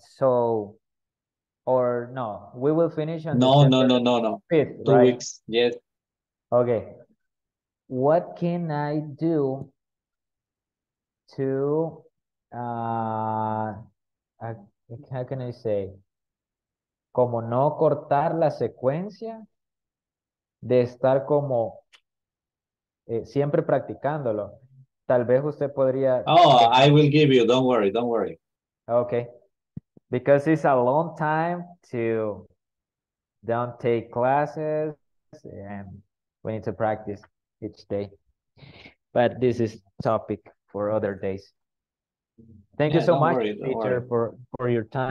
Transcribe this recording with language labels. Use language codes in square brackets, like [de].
[en] So, or no, we will finish on No. 5th, 2 weeks, yes. Okay. What can I do to, how can I say? [es] Como no cortar la secuencia de estar como siempre practicándolo. Tal vez usted podría... [en] Oh, I will give you. Don't worry. Okay. Because it's a long time to don't take classes and we need to practice each day. But this is topic for other days. Thank you so much, teacher, for your time.